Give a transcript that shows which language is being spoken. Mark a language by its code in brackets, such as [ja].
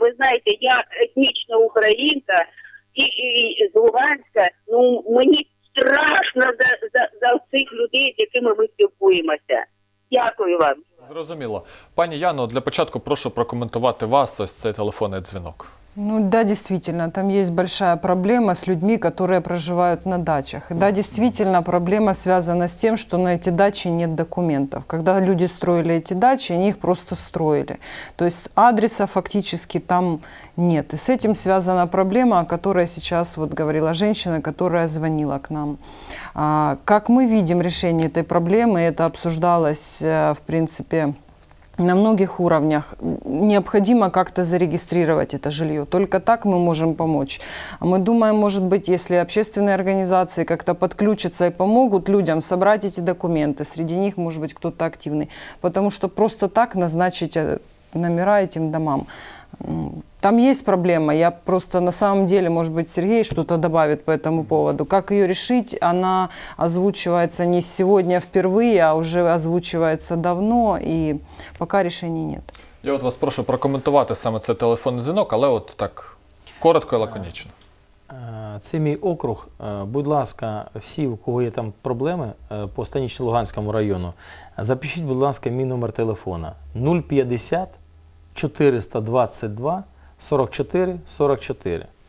[uk] Ви знаєте, я етнічна українка і з Луганська, ну мені страшно за цих людей, з якими ми спілкуємося. Дякую вам. Зрозуміло. Пані Яно, для початку прошу прокоментувати вас ось цей телефонний дзвінок. [ru] Ну да, действительно, там есть большая проблема с людьми, которые проживают на дачах. Да, действительно, проблема связана с тем, что на эти дачи нет документов. Когда люди строили эти дачи, они их просто строили. То есть адреса фактически там нет. И с этим связана проблема, о которой сейчас вот говорила женщина, которая звонила к нам. Как мы видим решение этой проблемы, это обсуждалось, в принципе, на многих уровнях необходимо как-то зарегистрировать это жилье. Только так мы можем помочь. Мы думаем, может быть, если общественные организации как-то подключатся и помогут людям собрать эти документы, среди них может быть кто-то активный. Потому что просто так назначить номера этим домам. Там есть проблема. Я просто на самом деле, может быть, Сергей что-то добавит по этому поводу. Как ее решить? Она озвучивается не сегодня впервые, а уже озвучивается давно, и пока решений нет. Я вот вас прошу прокомментировать [uk] саме цей телефонний дзвінок, але от так коротко і лаконічно. Це мій округ. Будь ласка, всі, у кого є там проблеми по Станично-Луганському району, запишіть, будь ласка, мій номер телефона 050-422-44-44.